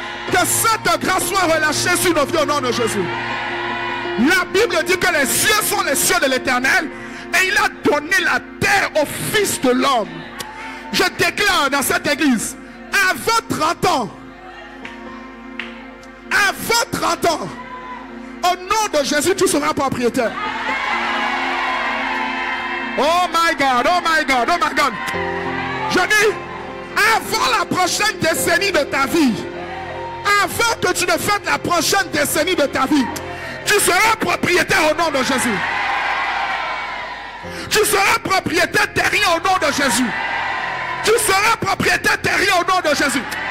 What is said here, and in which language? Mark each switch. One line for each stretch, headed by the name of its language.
French: Que cette grâce soit relâchée sur nos vies au nom de Jésus. La Bible dit que les cieux sont les cieux de l'Éternel et il a donné la terre au Fils de l'homme. Je déclare dans cette église, avant 30 ans, avant 30 ans, au nom de Jésus, tu seras propriétaire.
English: Oh my God, oh my God, oh my God.
French: Je dis, avant la prochaine décennie de ta vie, avant que tu ne fasses la prochaine décennie de ta vie, tu seras propriétaire au nom de Jésus. Tu seras propriétaire terrien au nom de Jésus. Tu seras propriétaire terrien au nom de Jésus.